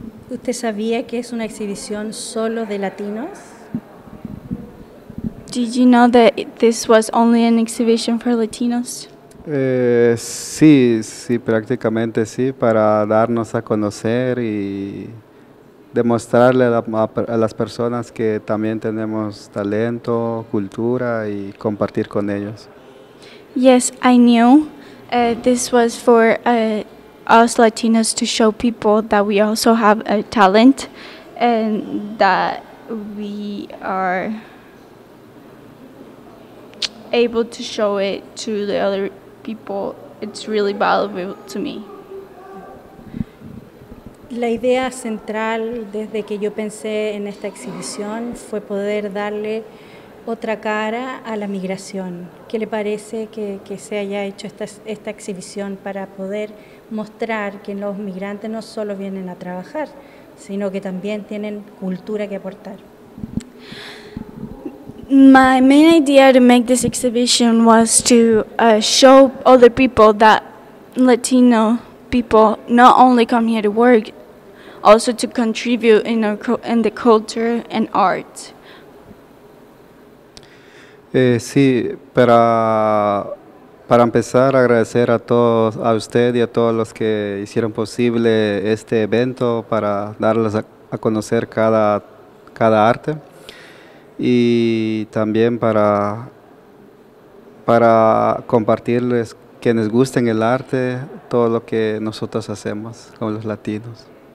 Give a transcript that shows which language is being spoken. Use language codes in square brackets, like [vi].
[es] ¿Usted sabía que es una exhibición solo de latinos? [en] Did you know that this was only an exhibition for Latinos? [es] Sí, sí, prácticamente sí, para darnos a conocer y demostrarle a las personas que también tenemos talento, cultura y compartir con ellos. [en] Yes, I knew this was for us Latinos to show people that we also have a talent and that we are able to show it to the other people. It's really valuable to me. [es] La idea central desde que yo pensé en esta exhibición fue poder darle otra cara a la migración. ¿Qué le parece que se haya hecho esta exhibición para poder mostrar que los migrantes no solo vienen a trabajar, sino que también tienen cultura que aportar? [en] My main idea to make this exhibition was to show other people that Latino people not only come here to work, also to contribute in the culture and art. [es] Sí, para empezar, agradecer a todos, a usted y a todos los que hicieron posible este evento para darles a conocer cada arte. Y también para compartirles quienes gusten el arte, todo lo que nosotros hacemos como los latinos.